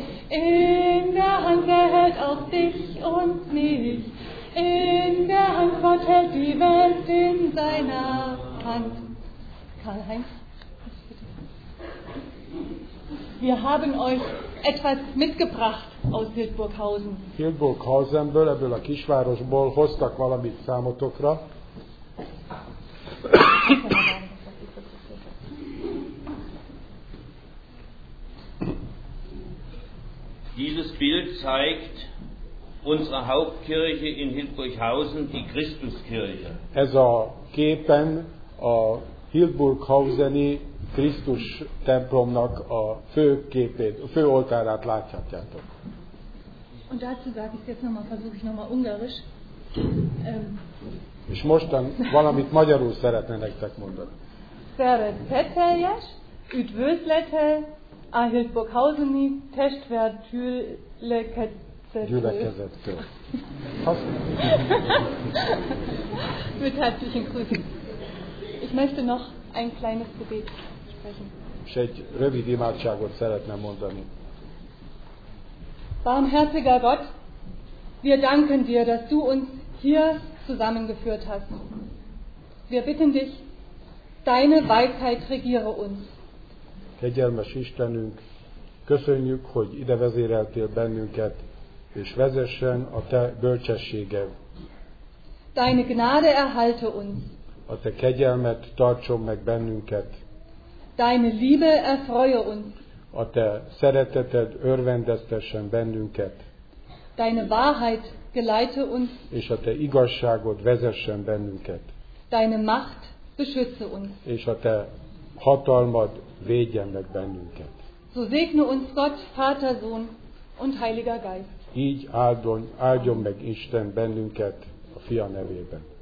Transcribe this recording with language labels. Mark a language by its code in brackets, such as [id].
[de] In der Hand, er hält auch dich und mich. In der Hand, Gott hält die Welt in seiner Hand. Karl-Heinz, wir haben euch etwas mitgebracht aus Hildburghausen. [hu] Hildburghausenből, ebből a kisvárosból hoztak valamit számotokra. [de] Dieses Bild zeigt unsere Hauptkirche in Hildburghausen, die Christuskirche. [hu] Ez a képen a Hildburghauseni Krisztus templomnak a fő képét, a fő oltárát láthatjátok. [de] Und dazu sage ich jetzt noch mal, versuche ich noch mal ungarisch. [hu] És mostan valamit magyarul szeretne nektek mondani. Szeretetteljes, üdvözlete a Hildburghauseni testvérgyülekezettől. Gyülekezettől. [de] Mit herzlichen Grüßen. Ich möchte noch ein kleines Gebet sprechen. [hu] És egy rövid imádságot szeretne mondani. [de] Barmherziger Gott, wir danken dir, dass du uns hier zusammengeführt hast. Wir bitten dich, deine Weisheit regiere uns. [hu] Kegyelmes Istenünk, köszönjük, hogy ide vezéreltél bennünket, és vezessen a te bölcsességed. [de] Deine Gnade erhalte uns. [hu] A te kegyelmet tartson meg bennünket. [de] Deine Liebe erfreue uns. [hu] A te szereteted örvendeztessen bennünket. [de] Deine Wahrheit geleite uns. [hu] És a te igazságod vezessen bennünket. [de] Deine Macht beschütze uns. [hu] És a te hatalmad védjen meg bennünket. [de] So segne uns Gott, Vater, Sohn und Heiliger Geist. [hu] így áldjon meg Isten bennünket a Fia nevében.